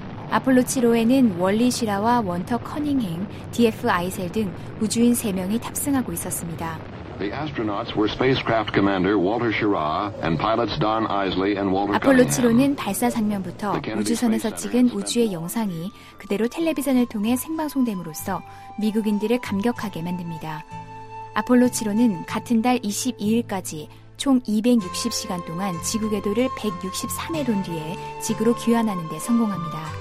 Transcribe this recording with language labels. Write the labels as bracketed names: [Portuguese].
[Korean] 아폴로 7호에는 월리 시라와 원터 커닝햄, DF 아이셀 등 우주인 3명이 탑승하고 있었습니다. [English] The astronauts were spacecraft commander Walter Schirra and pilots Don Eisley and Walter Cunningham. [Korean] 아폴로 7호는 발사 장면부터 우주선에서 찍은 우주의 영상이 그대로 텔레비전을 통해 생방송됨으로써 미국인들을 감격하게 만듭니다. 아폴로 7호는 같은 달 22일까지 총 260시간 동안 지구 궤도를 163회 돈 뒤에 지구로 귀환하는 데 성공합니다.